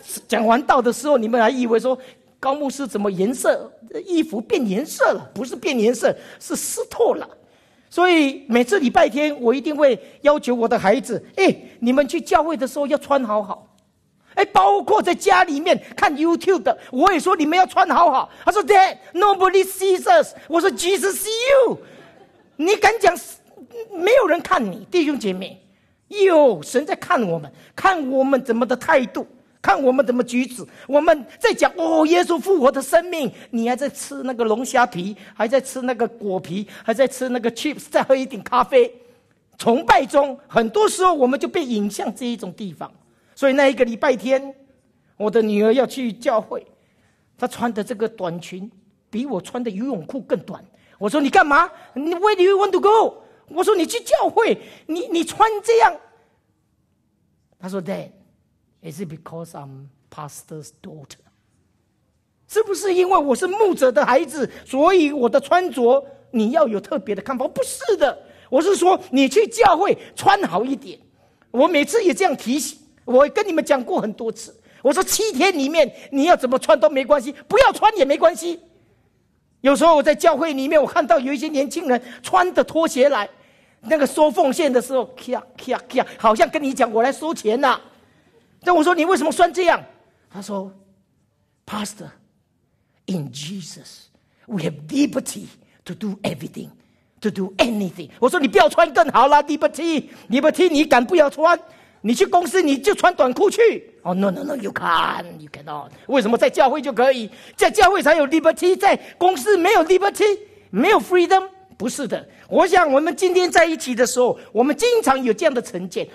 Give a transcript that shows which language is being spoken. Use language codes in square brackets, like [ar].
[zh] 讲完道的时候，你们还以为说高牧师怎么颜色衣服变颜色了？不是变颜色，是湿透了。所以每次礼拜天，我一定会要求我的孩子：哎，你们去教会的时候要穿好好。哎，包括在家里面看 YouTube 的，我也说你们要穿好好。他说 [en] ：“Dad, nobody sees us。” [zh] 我说 [en] ：“Jesus see you。” [zh] 你敢讲没有人看你，弟兄姐妹？有神在看我们，看我们怎么的态度。看我们怎么举止，我们在讲哦，耶稣复活的生命，你还在吃那个龙虾皮，还在吃那个果皮，还在吃那个 chips， 再喝一点咖啡，崇拜中，很多时候我们就被引向这一种地方。所以那一个礼拜天，我的女儿要去教会，她穿的这个短裙比我穿的游泳裤更短。我说你干嘛？ [en] Where do you want to go？ [zh] 我说你去教会，你穿这样。她说 Dad。 [en] Is it because I'm pastor's daughter? [zh] 是不是因为我是牧者的孩子，所以我的穿着你要有特别的看法？不是的，我是说你去教会穿好一点。我每次也这样提醒，我跟你们讲过很多次，我说七天里面你要怎么穿都没关系，不要穿也没关系。有时候我在教会里面，我看到有一些年轻人穿着拖鞋来，那个收奉献的时候，咔咔咔，好像跟你讲我来收钱啊。但我说你为什么穿这样？他说 [en] Pastor, in Jesus we have liberty to do everything, to do anything. [zh] 我说你不要穿更好了， liberty liberty， 你敢不要穿，你去公司你就穿短裤去。 [en] 哦、oh, no no no， you can't you cannot。 [zh] 为什么在教会就可以？在教会才有 liberty， 在公司没有 liberty， 没有 freedom。不是的，我想我们今天在一起的时候，我们经常有这样的成见。